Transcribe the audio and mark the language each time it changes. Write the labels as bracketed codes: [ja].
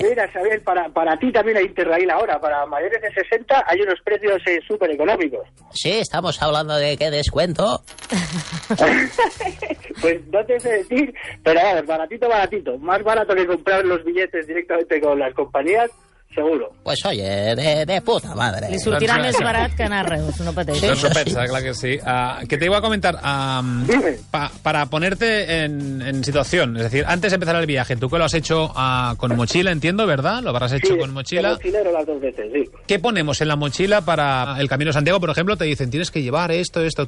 [es] Mira, Xavier, para ti también hay Interrail ahora. Para mayores de 60 hay unos precios súper económicos. Sí, estamos hablando de qué descuento. Pues no te sé decir, pero a ver, baratito, baratito. Más barato que comprar los billetes directamente con las compañías. Seguro. Pues oye, de puta madre. [ca] Li sortirà més barat que anar a Reus, no pateixis. Doncs ho pensa, clar que sí. [es] Que te iba a comentar, para ponerte en situación, es decir, antes de empezar el viaje, tú que lo has hecho con mochila, entiendo, ¿verdad? Lo habrás hecho con mochila. Sí, mochilero las dos veces, sí. ¿Qué ponemos en la mochila para el Camino de Santiago? Por ejemplo, te dicen, tienes que llevar esto, esto.